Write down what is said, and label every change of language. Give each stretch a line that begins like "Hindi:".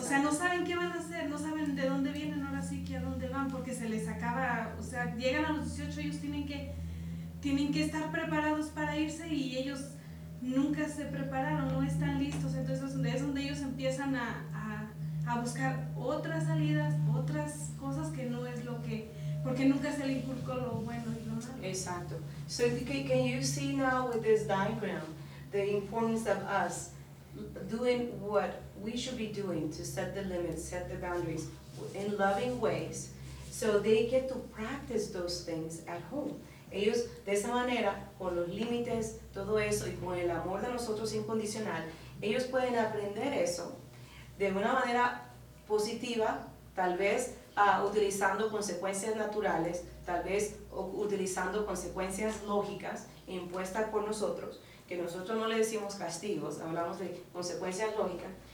Spanish: O sea, no saben qué van a hacer, no saben de dónde vienen ahora sí, que a dónde van, porque se les acaba, o sea, llegan a los 18, ellos tienen que estar preparados para irse y ellos nunca se prepararon, no están listos. Entonces es donde ellos empiezan a buscar otras salidas, otras cosas que no es lo que, porque nunca se le inculcó lo bueno y lo malo. Exacto.
English: So can you see now with this diagram the importance of us doing what we should be doing to set the limits, set the boundaries in loving ways so they get to practice those things at home.
Spanish: Ellos, de esa manera, con los límites, todo eso, y con el amor de nosotros incondicional, ellos pueden aprender eso de una manera positiva, tal vez utilizando consecuencias naturales, tal vez utilizando consecuencias lógicas impuestas por nosotros, que nosotros no le decimos castigos, hablamos de consecuencias lógicas.